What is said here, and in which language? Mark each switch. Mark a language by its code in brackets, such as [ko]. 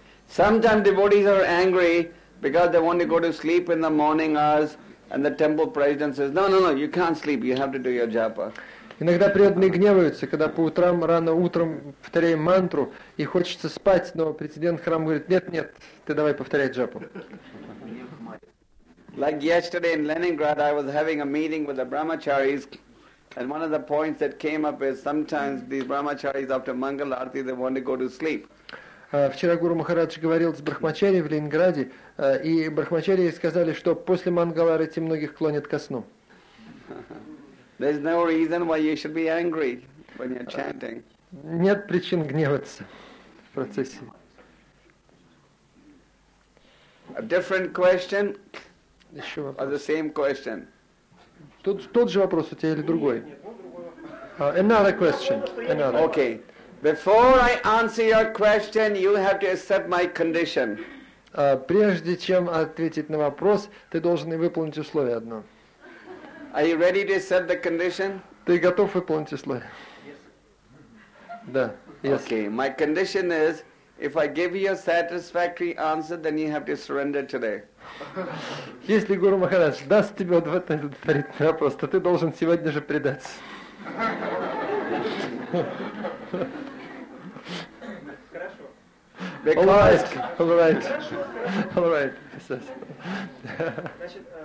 [en] Sometimes devotees are angry because they want to go to sleep in the morning hours, and the temple president says, "No, no, no, you can't sleep. You have to do your japa." [ru] Иногда преданные гневаются, когда по утрам рано утром повторяем мантру и хочется спать, но президент храма говорит, "Нет, нет, ты давай повторять джапу." [en] Like yesterday in Leningrad, I was having a meeting with the brahmacharis, and one of the points that came up is sometimes these brahmacharis after Mangal Arati they want to go to sleep. [ru] Вчера Гуру Махарадж говорил с брахмачари в Ленинграде, и брахмачари сказали, что после Мангаларати многих клонят ко сну. [en] There's no reason why you should be angry when you're chanting. [ru] Нет причин гневаться в процессе. [en] A different question? [ru] Еще вопрос. [en] Or the same question? [ru] Тот же вопрос у тебя или другой? [en] Another question. Another. Okay. Before I answer your question, you have to accept my condition. [ru] Прежде чем ответить на вопрос, ты должен выполнить условие одно. [en] Are you ready to accept the condition? [ru] Ты готов выполнить условие? [en] Yes. [ru] Да. [en] Yes. Okay. My condition is, if I give you a satisfactory answer, then you have to surrender today. [ru] Если Гуру Махарадж даст тебе удовлетворительный вопрос, то ты должен сегодня же предаться. [en] Because All right. Значит,